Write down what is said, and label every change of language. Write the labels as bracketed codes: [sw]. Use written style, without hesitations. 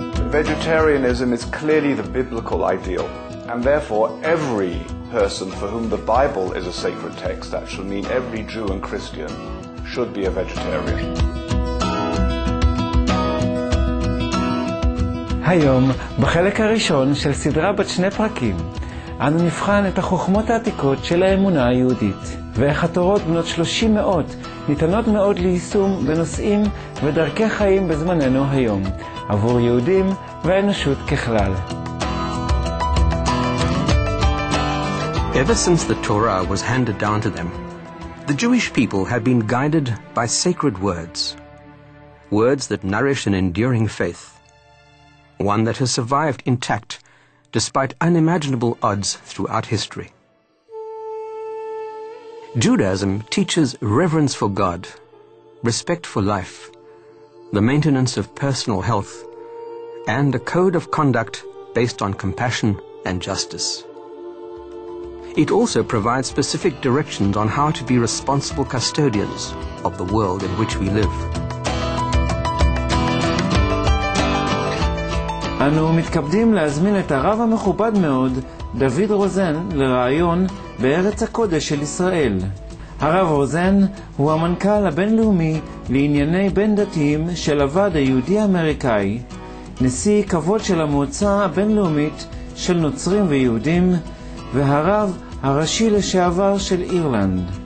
[en] Vegetarianism is clearly the biblical ideal, and therefore every person for whom the Bible is a sacred text, that should mean every Jew and Christian, should be a vegetarian. [he] היום, בחלק הראשון של סדרה בת שני פרקים, אנו נבחן את החוכמות העתיקות של האמונה היהודית, ואיך התורות בנות 30 מאות ניתנות מאוד ליישום בנושאים ודרכי חיים בזמננו היום, עבור יהודים והאנושות ככלל. [en] Ever since the Torah was handed down to them, the Jewish people had been guided by sacred words, words that nourish an enduring faith, one that has survived intact despite unimaginable odds throughout history. Judaism teaches reverence for God, respect for life, the maintenance of personal health, and a code of conduct based on compassion and justice. It also provides specific directions on how to be responsible custodians of the world in which we live. [he] אנו מתכבדים להזמין את הרב המכובד מאוד, דוד רוזן, לרעיון בארץ הקודש של ישראל. הרב רוזן הוא המנכ"ל הבינלאומי לענייני בין דתיים של הוועד היהודי האמריקאי, נשיא כבוד של המועצה הבינלאומית של נוצרים ויהודים, והרב הראשי לשעבר של אירלנד.